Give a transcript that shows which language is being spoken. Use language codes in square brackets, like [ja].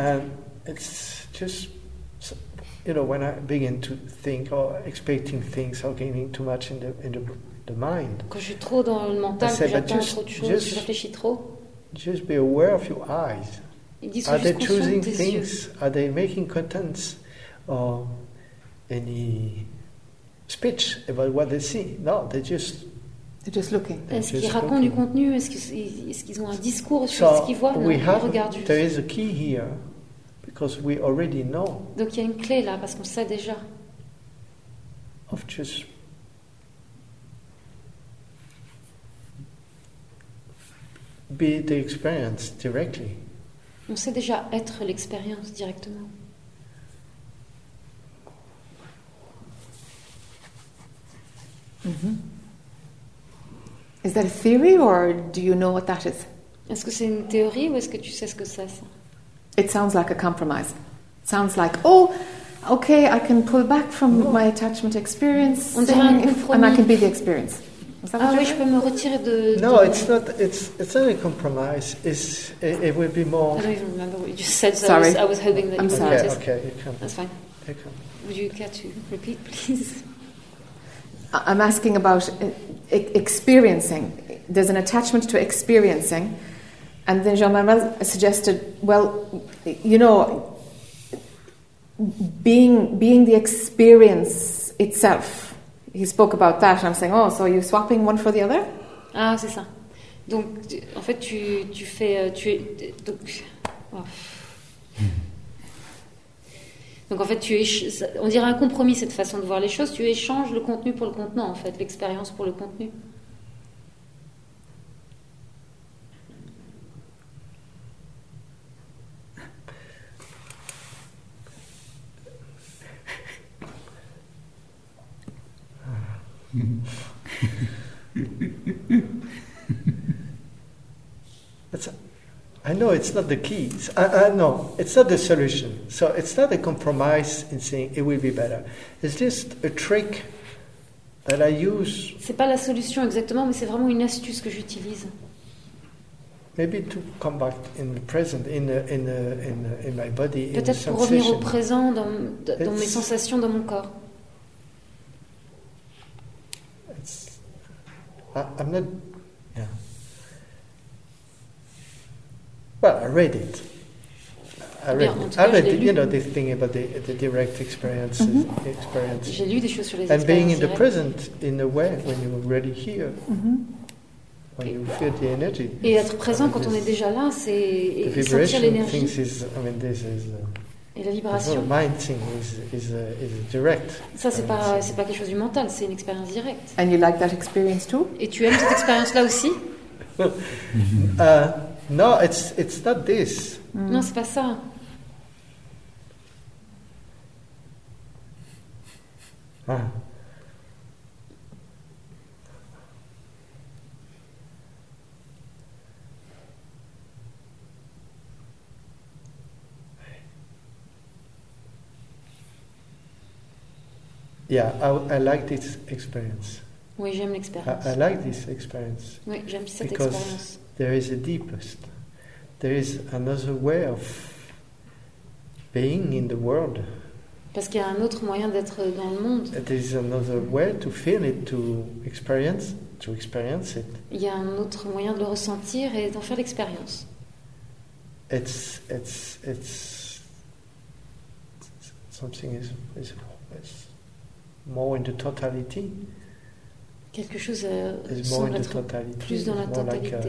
[en] And it's just, you know, when I begin to think or expecting things or gaining too much in the mind. [fr] Quand je suis trop dans le mental, que j'attends trop de choses, que je réfléchis trop. [en] Just be aware of your eyes. Are they choosing things? Are they making contents or any speech about what they see? No, they're just looking. [fr] Est-ce qu'ils racontent du contenu? Est-ce qu'ils ont un discours sur ce qu'ils voient? Non, ils regardent juste. [en] There is a key here because we already know. [fr] Donc il y a une clé là parce qu'on sait déjà. [en] Of just be the experience directly. [fr] On sait déjà être l'expérience directement. Mm-hmm. [en] Is that a theory or do you know what that is? [fr] Est-ce que c'est une théorie ou est-ce que tu sais ce que c'est ça? [en] It sounds like a compromise. It sounds like, oh, okay, I can pull back from my attachment experience and I can be the experience. [fr] Ah oui, je peux me retirer de. [en] No, [fr] de... [en] it's not. It's not a compromise. It would be more. I don't even remember what you just said. Sorry, I was hoping that I'm sorry. Would. Okay, okay, you can. That's fine. You can. Would you care to repeat, please? I'm asking about experiencing. There's an attachment to experiencing, and then Jean-Marie suggested, well, you know, being the experience itself. He spoke about that, and I'm saying, oh, so you're swapping one for the other? [fr] Ah, c'est ça. Donc, en fait, tu fais... Donc, donc, en fait, on dirait un compromis, cette façon de voir les choses. Tu échanges le contenu pour le contenant, en fait, l'expérience pour le contenu. [en] I know it's not the key. No, it's not the solution. So it's not a compromise in saying it will be better. It's just a trick that I use. [fr] C'est pas la solution exactement, mais c'est vraiment une astuce que j'utilise. [en] Maybe to come back in the present, in my body. [fr] Peut-être pour revenir au présent dans mes sensations, dans mon corps. [en] I'm not. Yeah. Well, I read it. I read it. You know, this thing about the direct experience. Mm-hmm. Experience. [fr] J'ai lu des choses sur les [en] and being in the present, in a way, when you're already here, mm-hmm. when you feel the energy. [fr] Et être présent quand on est déjà là, c'est [en] the vibration things is. I mean, this is. [fr] Et la vibration. [en] The mind thing is direct. [fr] Ça c'est pas quelque chose du mental, c'est une expérience directe. [en] And you like that experience too? [fr] Et tu aimes cette expérience là aussi? [en] No, it's not this. [fr] Mm. Non, c'est pas ça. [en] Yeah, I like this experience. [fr] Oui, j'aime l'expérience. [en] I like this experience. [fr] Oui, j'aime cette [en] because [fr] expérience. [en] There is a deepest. There is another way of being in the world. [fr] Parce qu'il y a un autre moyen d'être dans le monde. [en] There is another way to feel it, to experience it. [fr] Il y a un autre moyen de le ressentir et d'en faire l'expérience. [en] It's something is more in the totality. [fr] Quelque chose semble être plus dans la totalité.